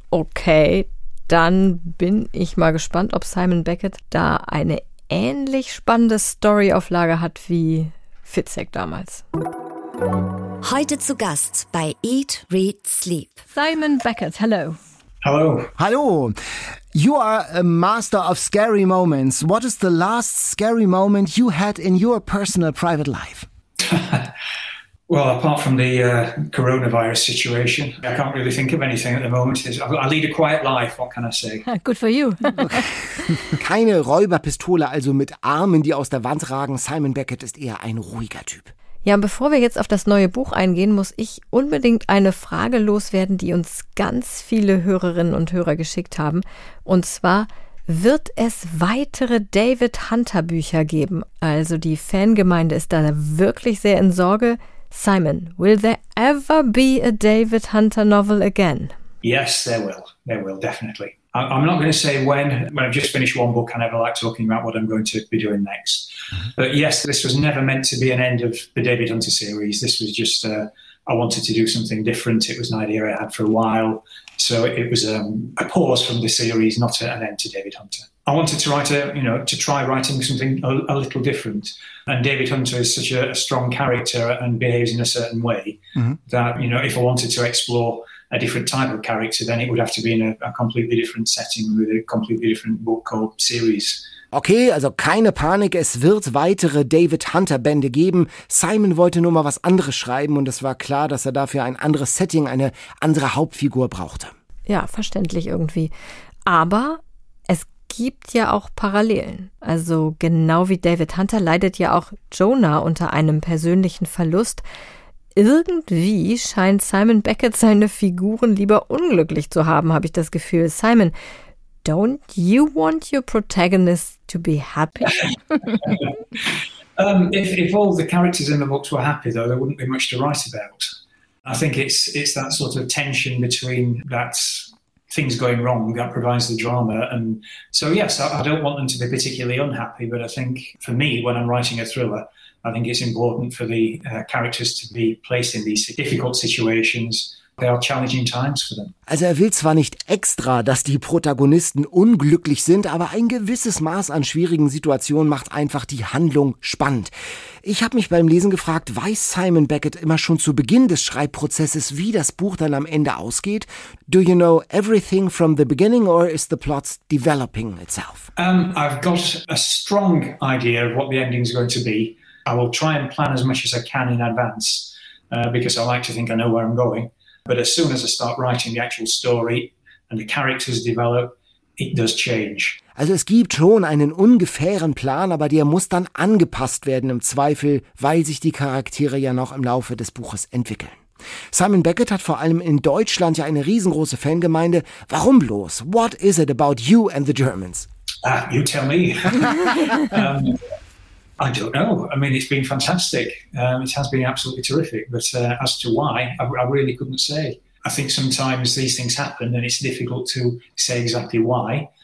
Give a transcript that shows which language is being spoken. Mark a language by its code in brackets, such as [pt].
[de] Okay, dann bin ich mal gespannt, ob Simon Beckett da eine ähnlich spannende Story auf Lager hat wie Fitzek damals. Heute zu Gast bei Eat, Read, Sleep. [en] Simon Beckett, hello. Hello. [de] Hallo. [en] You are a master of scary moments. What is the last scary moment you had in your personal private life? Well, apart from the coronavirus situation, I can't really think of anything at the moment. I lead a quiet life, what can I say? Good for you. [de] Keine Räuberpistole, also mit Armen, die aus der Wand ragen. Simon Beckett ist eher ein ruhiger Typ. Ja, und bevor wir jetzt auf das neue Buch eingehen, muss ich unbedingt eine Frage loswerden, die uns ganz viele Hörerinnen und Hörer geschickt haben. Und zwar, wird es weitere David Hunter Bücher geben? Also die Fangemeinde ist da wirklich sehr in Sorge. [en] Simon, will there ever be a David Hunter novel again? Yes, there will. There will, definitely. I'm not going to say when I've just finished one book, I never like talking about what I'm going to be doing next. But yes, this was never meant to be an end of the David Hunter series. This was just, I wanted to do something different. It was an idea I had for a while. So it was a pause from the series, not an end to David Hunter. I wanted to write to try writing something a little different. And David Hunter is such a strong character and behaves in a certain way that, you know, if I wanted to explore a different type of character, then it would have to be in a completely different setting with a completely different book or series. [de] Okay, also keine Panik, es wird weitere David Hunter Bände geben. Simon wollte nur mal was anderes schreiben und es war klar, dass er dafür ein anderes Setting, eine andere Hauptfigur brauchte. Ja, verständlich irgendwie. Aber gibt ja auch Parallelen. Also genau wie David Hunter leidet ja auch Jonah unter einem persönlichen Verlust. Irgendwie scheint Simon Beckett seine Figuren lieber unglücklich zu haben, habe ich das Gefühl. [en] Simon, don't you want your protagonist to be happy? if all the characters in the books were happy, though, there wouldn't be much to write about. I think it's that sort of tension between that things going wrong that provides the drama. And so, yes, I don't want them to be particularly unhappy, but I think for me, when I'm writing a thriller, I think it's important for the characters to be placed in these difficult situations. They are challenging times for them. [de] Also er will zwar nicht extra, dass die Protagonisten unglücklich sind, aber ein gewisses Maß an schwierigen Situationen macht einfach die Handlung spannend. Ich habe mich beim Lesen gefragt, weiß Simon Beckett immer schon zu Beginn des Schreibprozesses, wie das Buch dann am Ende ausgeht? [en] Do you know everything from the beginning or is the plot developing itself? I've got a strong idea of what the ending is going to be. I will try and plan as much as I can in advance because I like to think I know where I'm going. But as soon as I start writing the actual story and the characters develop, it does change. [de] Also es gibt schon einen ungefähren Plan, aber der muss dann angepasst werden im Zweifel, weil sich die Charaktere ja noch im Laufe des Buches entwickeln. Simon Beckett hat vor allem in Deutschland ja eine riesengroße Fangemeinde. Warum bloß? [en] What is it about you and the Germans? Ah, you tell me. I don't know. I mean, it's been fantastic. It has been absolutely terrific. But as to why, I really couldn't say. I think sometimes these things happen and it's difficult to say exactly why.